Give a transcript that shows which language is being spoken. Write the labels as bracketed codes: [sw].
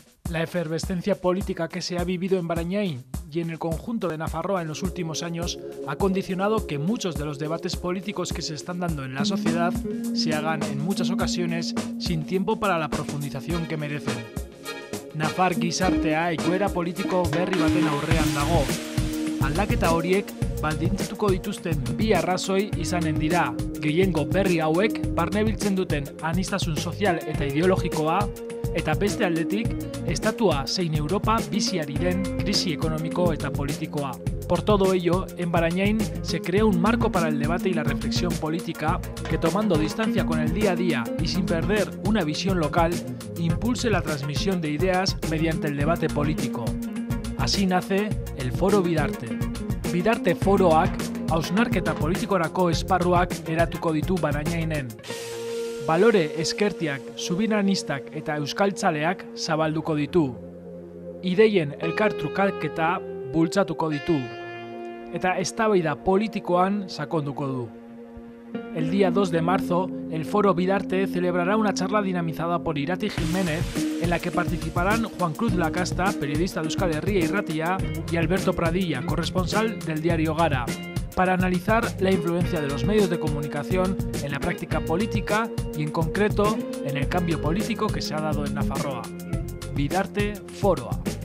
[es] La efervescencia política que se ha vivido en Barañáin y en el conjunto de Nafarroa en los últimos años ha condicionado que muchos de los debates políticos que se están dando en la sociedad se hagan en muchas ocasiones sin tiempo para la profundización que merecen. [eu] Nafar gizartea egoera politiko berri baten aurrean dago. Aldaketa horiek baldintzatuko dituzten bi arrazoi izanen dira. Gehiengo berri hauek barnebiltzen duten anistasun sozial eta ideologikoa, eta beste aldetik, estatua zein Europa bizi ari den krisi ekonomiko eta politikoa. [es] Por todo ello, en Barañáin se crea un marco para el debate y la reflexión política que, tomando distancia con el día a día y sin perder una visión local, impulse la transmisión de ideas mediante el debate político. Así nace el Foro Bidarte. [eu] Bidarte Foroak, hausnarketa politikorako esparruak eratuko ditu Barañáinen. Balore ezkertiak, subiranistak eta euskaltzaleak zabalduko ditu. Ideien elkartrukaketa bultzatuko ditu. Eta eztabaida politikoan sakonduko du. [es] El día 2 de marzo, el Foro Bidarte celebrará una charla dinamizada por Irati Jiménez, en la que participarán Juan Cruz Lacasta, periodista de Euskal Herria Irratia, y Alberto Pradilla, corresponsal del diario Gara, para analizar la influencia de los medios de comunicación en la práctica política y, en concreto, en el cambio político que se ha dado en Nafarroa. Bidarte Foroa.